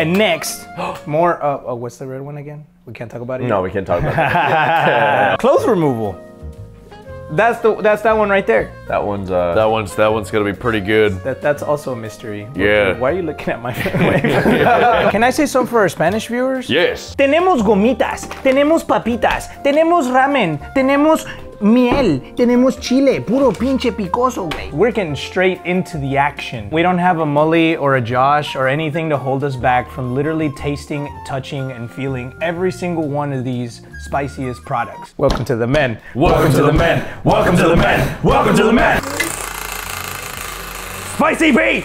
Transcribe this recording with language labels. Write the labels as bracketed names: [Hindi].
[English] And next, more. What's the red one again? We can't talk about it yet? No, we can't talk about it. Clothes removal. That's that one right there. That one's That one's gonna be pretty good. That's also a mystery. Yeah. Why are you looking at my family? Can I say something for our Spanish viewers? Yes. [Spanish] Tenemos gomitas, tenemos papitas, tenemos ramen, tenemos miel, tenemos chile, puro pinche picoso, güey. [English] We're getting straight into the action. We don't have a Mully or a Josh or anything to hold us back from literally tasting, touching, and feeling every single one of these spiciest products. Welcome to the men. Welcome to the men. Welcome to the men. Welcome to the men. Spicy bee!